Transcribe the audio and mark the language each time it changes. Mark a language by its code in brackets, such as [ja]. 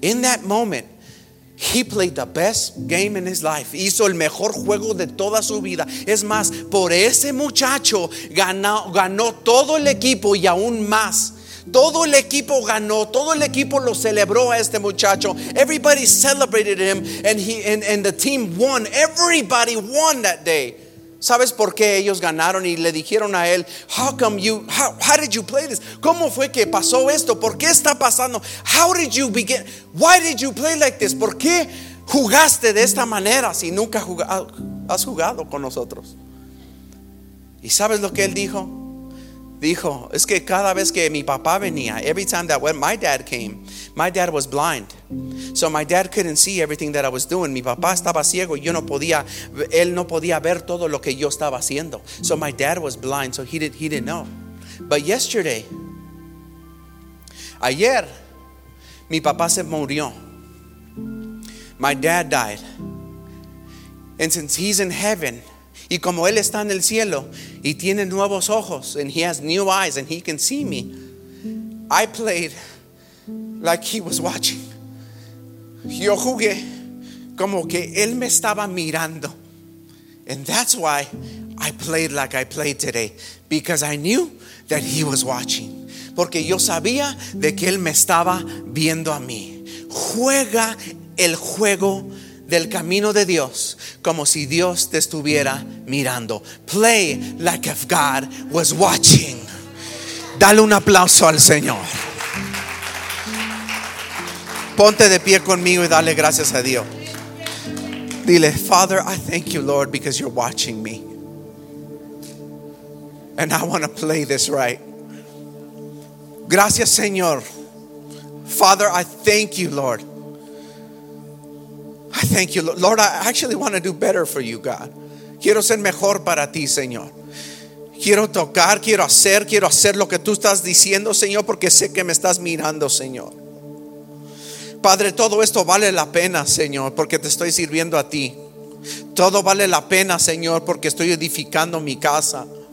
[en] In that moment, he played the best game in his life. [es] Hizo el mejor juego de toda su vida. Es más, por ese muchacho ganó todo el equipo y aún más. Todo el equipo ganó. Todo el equipo lo celebró a este muchacho. [en] Everybody celebrated him and the team won. Everybody won that day. [es] ¿Sabes por qué ellos ganaron? Y le dijeron a él, [en] how did you play this? [es] ¿Cómo fue que pasó esto? ¿Por qué está pasando? [en] How did you begin? Why did you play like this? [es] ¿Por qué jugaste de esta manera si nunca has jugado con nosotros? ¿Y sabes lo que él dijo? Dijo, es que cada vez que mi papá venía, [en] every time that when my dad came, my dad was blind. So my dad couldn't see everything that I was doing. [es] Mi papá estaba ciego. Yo no podía, él no podía ver todo lo que yo estaba haciendo. [en] So my dad was blind, so he didn't know. But yesterday, [es] ayer, mi papá se murió. [en] My dad died. And since he's in heaven, [es] y como él está en el cielo y tiene nuevos ojos, [en] and he has new eyes and he can see me, I played like he was watching. [es] Yo jugué como que él me estaba mirando. [en] And that's why I played like I played today, because I knew that he was watching. [es] Porque yo sabía de que él me estaba viendo a mí. Juega el juego del camino de Dios como si Dios te estuviera mirando. [en] Play like if God was watching. [es] Dale un aplauso al Señor. Ponte de pie conmigo y dale gracias a Dios. [en] Dile, Father, I thank you, Lord, because you're watching me. And I want to play this right. [es] Gracias, Señor. [en] Father, I thank you, Lord. I thank you, Lord. I actually want to do better for you, God. [es] Quiero ser mejor para ti, Señor. Quiero tocar, quiero hacer lo que tú estás diciendo, Señor, porque sé que me estás mirando, Señor. Padre, todo esto vale la pena, Señor, porque te estoy sirviendo a ti. Todo vale la pena, Señor, porque estoy edificando mi casa.